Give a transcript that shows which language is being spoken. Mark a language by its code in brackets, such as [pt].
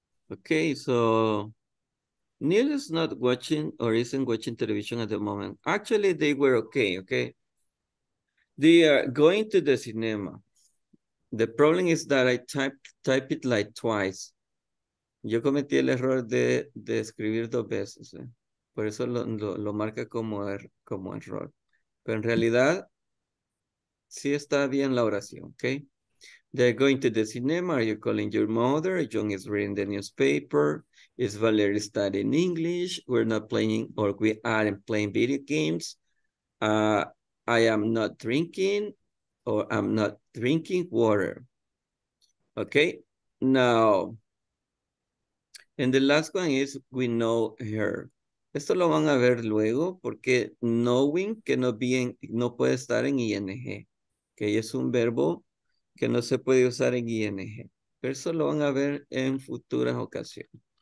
[en] Okay, so Neil is not watching or isn't watching television at the moment. Actually, they were okay, okay? They are going to the cinema. The problem is that I type it like twice. [es] Yo cometí el error de escribir dos veces. ¿Eh? Por eso lo marca como error. Pero en realidad, sí está bien la oración, okay? [en] They're going to the cinema. Are you calling your mother? John is reading the newspaper. Is Valerie studying English? We're not playing, or we aren't playing video games. I am not drinking, or I'm not drinking water. Okay, now, and the last one is we know her. [es] Esto lo van a ver luego porque knowing que no bien no puede estar en ing, que es un verbo que no se puede usar en ing. Pero eso lo van a ver en futuras ocasiones.